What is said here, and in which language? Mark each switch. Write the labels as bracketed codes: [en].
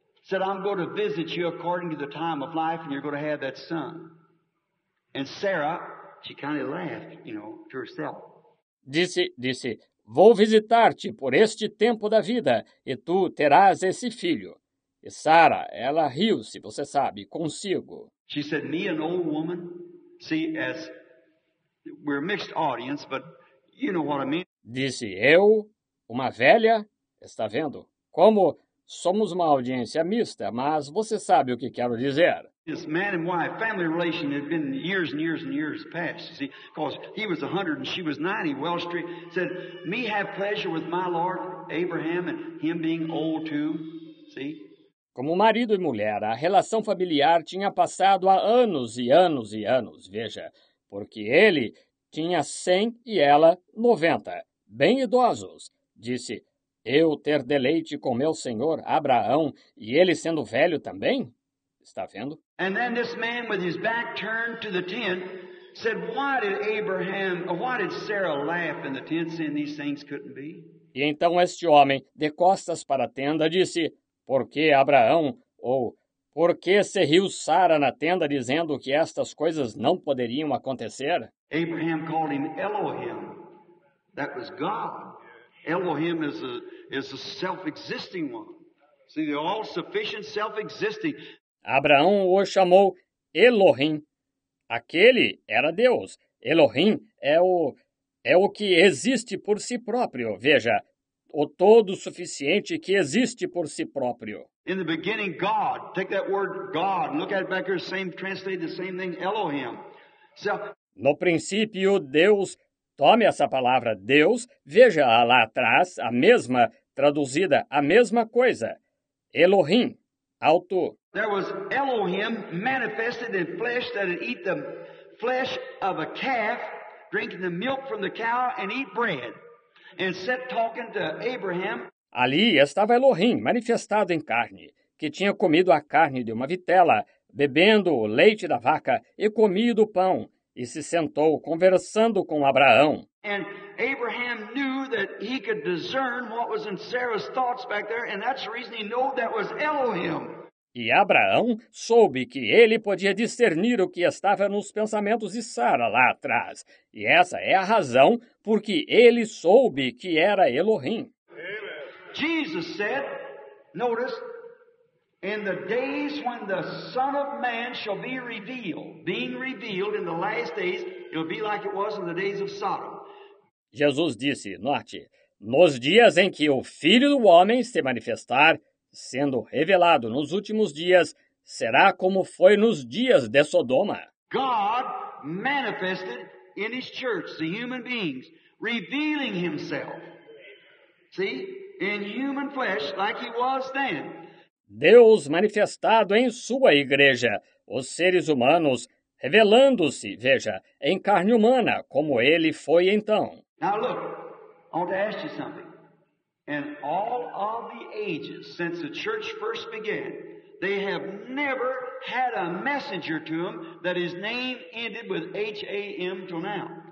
[en] Said, I'm going to visit you according to the time of life, and you're going to have that son. And Sarah, she kind of laughed, you know, to herself. [pt] Disse, vou visitar-te por este tempo da vida, e tu terás esse filho. E Sarah, ela riu-se, você sabe, consigo. [en] She said, me, an old woman, see, as we're a mixed audience, but you know what I mean. [pt] Disse, eu, uma velha, está vendo, como... Somos uma audiência mista, mas você sabe o que quero dizer. [en] This man and wife family relation had been years and years and years past, you see, because he was 100 and she was 90. Wells Street said, me have pleasure with my Lord Abraham and him being old too, see? [pt] Como marido e mulher, a relação familiar tinha passado há anos e anos e anos, veja, porque ele tinha 100 e ela 90, bem idosos. Disse, eu ter deleite com meu senhor Abraão e ele sendo velho também? Está vendo? [en] And then this man with his back turned to the tent said, why did Abraham, why did Sarah laugh in the tent saying these things couldn't be? [pt] E então este homem, de costas para a tenda, disse, por que Abraão, ou por que se riu Sara na tenda dizendo que estas coisas não poderiam acontecer? [en] Abraham called him Elohim. That was God. Elohim is a self-existing one. See, the all-sufficient self-existing. [pt] Abraão o chamou Elohim. Aquele era Deus. Elohim é o que existe por si próprio. Veja, o todo suficiente que existe por si próprio. [en] In the beginning, God. Take that word God and look at it back here, same translate the same thing, Elohim. [pt] No princípio, Deus. Tome essa palavra Deus, veja-a lá atrás, a mesma, traduzida, a mesma coisa. Elohim, alto. [en] There was Elohim manifested in flesh that would eat the flesh of a calf, drinking the milk from the cow and eat bread. And set talking to Abraham. [pt] Ali estava Elohim, manifestado em carne, que tinha comido a carne de uma vitela, bebendo o leite da vaca e comido o pão. E se sentou conversando com Abraão. [en] And Abraham knew that he could discern what was in Sarah's thoughts back there, and that's the reason he knew that was Elohim. [pt] E Abraão soube que ele podia discernir o que estava nos pensamentos de Sara lá atrás. E essa é a razão porque ele soube que era Elohim. [en] Amen. Jesus said, notice, in the days when the Son of Man shall be revealed, being revealed in the last days, it'll be like it was in the days of Sodom. [pt] Jesus disse, note, nos dias em que o Filho do Homem se manifestar, sendo revelado nos últimos dias, será como foi nos dias de Sodoma. [en] God manifested in his church, the human beings, revealing himself, see, in human flesh like he was then. [pt] Deus manifestado em sua igreja, os seres humanos revelando-se, veja, em carne humana, como ele foi então. [en] Now look, I want to ask you something. In all of the ages since the church first began, they have never had a messenger to them that his name ended with H-A-M till now.